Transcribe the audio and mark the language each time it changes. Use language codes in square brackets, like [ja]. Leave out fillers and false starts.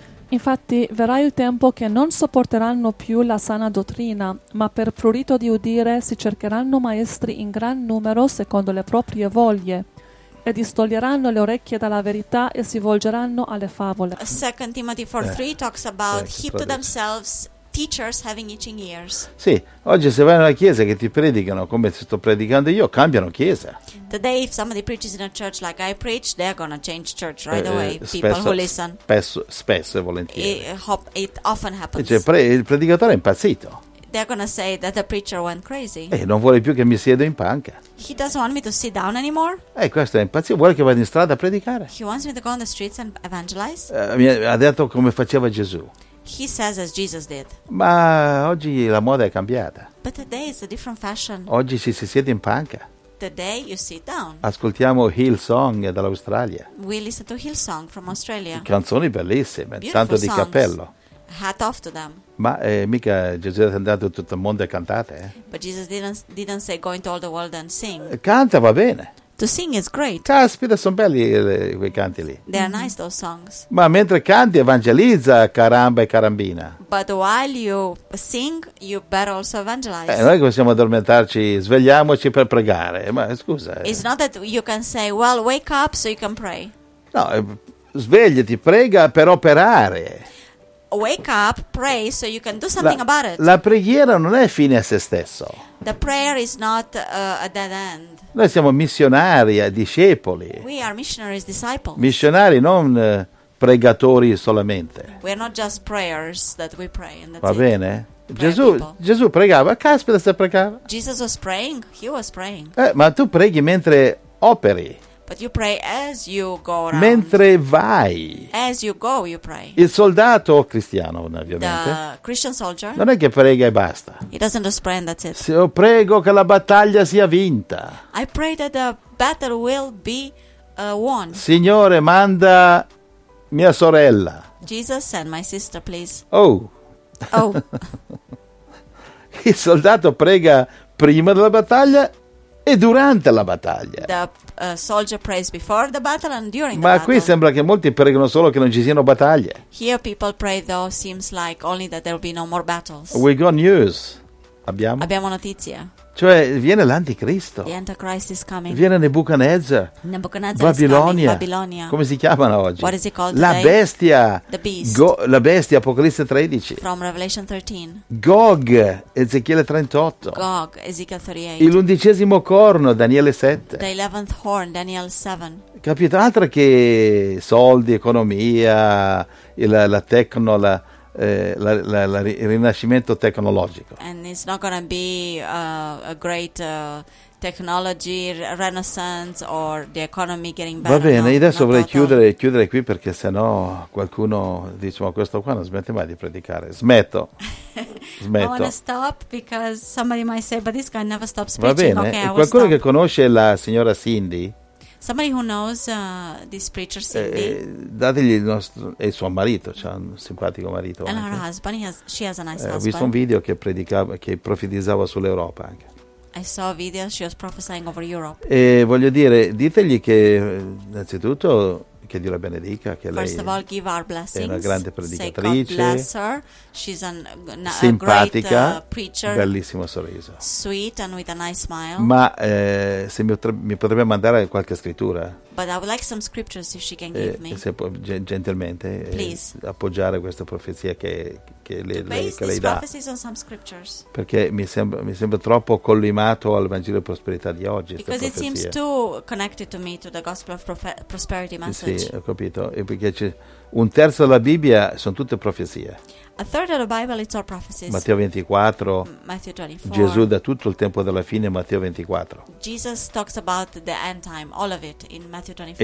[it] Infatti verrà il tempo che non sopporteranno più la sana dottrina, ma per prurito di udire si cercheranno maestri in gran numero secondo le proprie voglie. E distoglieranno le orecchie dalla verità e si volgeranno alle favole. [en] 2 Timothy 4:3 talks about heap to themselves teachers having itching ears. [it] Sì, oggi se vai in una chiesa che ti predicano come sto predicando io, cambiano chiesa. [en] Today if somebody preaches in a church like I preach, they're gonna change church right away. People who listen. [it] Spesso e volentieri. [en] It often happens. [it] Cioè, il predicatore è impazzito. [en] They're gonna say that the preacher went crazy. [it] Non vuole più che mi siedo in panca. [en] He doesn't want me to sit down anymore. [it] Questo è impazzito. Vuole che vada in strada a predicare. [en] He wants me to go on the streets and evangelize. [it] Mi ha detto come faceva Gesù. [en] He says as Jesus did. [it] Ma oggi la moda è cambiata. [en] But today is a different fashion. [it] Oggi si siede in panca. [en] Today you sit down. [it] Ascoltiamo Hillsong dall'Australia. [en] We listen to Hillsong from Australia. [it] Canzoni bellissime, [en] beautiful [it] tanto di [en] songs. [it] Cappello. [en] Hat off to them. [it] Ma mica Gesù è andato tutto il mondo e cantate. [en] But Jesus didn't say go into all the world and sing. [it] Canta va bene. [en] To sing is great. [it] Caspita, sono belli quei canti lì. [en] They are nice those songs. [it] Ma mentre canti evangelizza caramba e carambina. [en] But while you sing you better also evangelize. [it] Noi possiamo addormentarci, svegliamoci per pregare. Ma scusa. [en] It's not that you can say well wake up so you can pray. [it] No, svegliati, prega per operare. [en] Wake up, pray so you can do something about it. [it] La preghiera non è fine a se stesso. [en] The prayer is not a dead end. [it] Noi siamo missionari, discepoli. [en] We are missionaries, disciples. [it] Missionari, non pregatori solamente. [en] We are not just prayers that we pray and that's [it] va [en] it. [it] Bene? Gesù pregava, caspita se pregava. [en] Jesus was praying, he was praying. [it] Ma tu preghi mentre operi. [en] But you pray as you go around. [it] Mentre vai. [en] As you go, you pray. [it] Il soldato cristiano, ovviamente. [en] The Christian soldier. [it] Non è che prega e basta. [en] He doesn't just pray and that's it. [it] Se io prego che la battaglia sia vinta. [en] I pray that the battle will be won. [it] Signore, manda mia sorella. [en] Jesus, send my sister, please. Oh. [it] Il soldato prega prima della battaglia e durante la battaglia. [en] Soldier prays before the battle and during [it] ma [en] the battle. [it] Qui sembra che molti pregano solo che non ci siano battaglie. [en] Here people pray though seems like only that there will be no more battles. We got news. [it] Abbiamo notizia. Cioè viene l'anticristo. [en] The Antichrist is coming. [it] Viene Nebuchadnezzar. [en] Nebuchadnezzar [it] Babilonia. [en] Is coming. Babilonia. [it] Come si chiamano oggi? [en] What is it called [it] La [en] today? [it] Bestia. [en] The beast. [it] La bestia Apocalisse 13. [en] From Revelation 13. [it] Gog Ezechiele 38. [en] Gog Ezekiel 38. [it] Il undicesimo corno Daniele 7. [en] The 11th horn Daniel 7. [it] Capito? Altro che soldi, economia, la tecno, il rinascimento tecnologico. [en] And it's not gonna be a great technology renaissance or the economy getting better. [it] Va bene, adesso vorrei chiudere qui, perché sennò qualcuno dice: ma questo qua non smette mai di predicare. Smetto. [en] I wanna stop because somebody might say, but this guy never stops preaching. [it] Va bene. [en] Okay, [it] qualcuno che conosce la signora Cindy. [en] Somebody who knows this preacher Cindy. [it] Dategli il nostro e suo marito, c'ha un simpatico marito. [en] And her husband, she has a nice husband. [it] Ho visto un video che predicava, che profetizzava sull'Europa anche. [en] I saw a video she was prophesying over Europe. [it] E voglio dire, ditegli che innanzitutto che Dio la benedica, che [en] first [it] lei [en] of all, give our blessings. [it] È una grande predicatrice. [en] Say God bless her. She's [it] simpatica, [en] great, preacher, [it] bellissimo sorriso. [en] Sweet and with a nice smile. [it] Ma se mi potrebbe mandare qualche scrittura? [en] But I would like some scriptures if she can give me. [it] Se può gentilmente appoggiare questa profezia che lei dà. [en] Based on some scriptures. [it] Perché mi sembra troppo collimato al Vangelo di prosperità di oggi. [en] Because it seems too connected to me to the gospel of prosperity message. [it] Sì, ho capito. E perché c'è un terzo della Bibbia sono tutte profezie. [en] A third of the Bible it's all prophecies. [it] Matteo 24. [en] Matthew 24. [it] Gesù da tutto il tempo della fine Matteo 24. [en] Jesus talks about the end time, all of it in Matthew 24.